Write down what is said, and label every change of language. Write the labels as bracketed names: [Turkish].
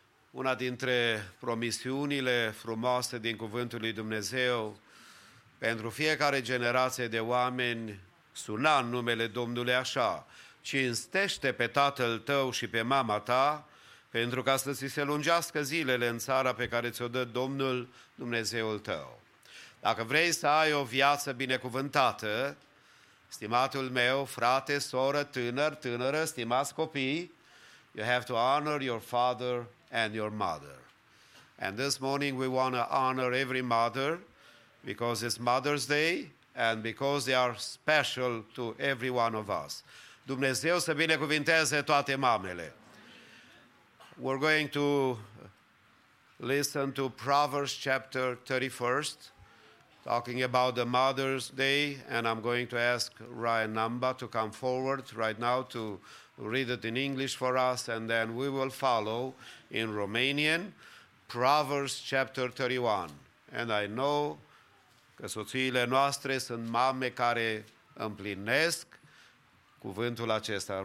[Romanian] Una dintre promisiunile frumoase din Cuvântul lui Dumnezeu pentru fiecare generație de oameni suna în numele Domnului așa: cinstește pe tatăl tău și pe mama ta pentru ca să ți se lungească zilele în țara pe care ți-o dă Domnul Dumnezeul tău. Dacă vrei să ai o viață binecuvântată, stimatul meu, frate, soră, tânăr, tânără, stimați copii, [English] you have to honor your father and your mother. And this morning we want to honor every mother because it's Mother's Day and because they are special to every one of us. [Romanian] Dumnezeu să binecuvinteze toate mamele. [English] We're going to listen to Proverbs chapter 31, talking about the Mother's Day, and I'm going to ask Ryan Namba to come forward right now to read it in English for us, and then we will follow in Romanian, Proverbs chapter 31. And I know [Romanian] că soțiile noastre sunt mame care împlinesc cuvântul acesta.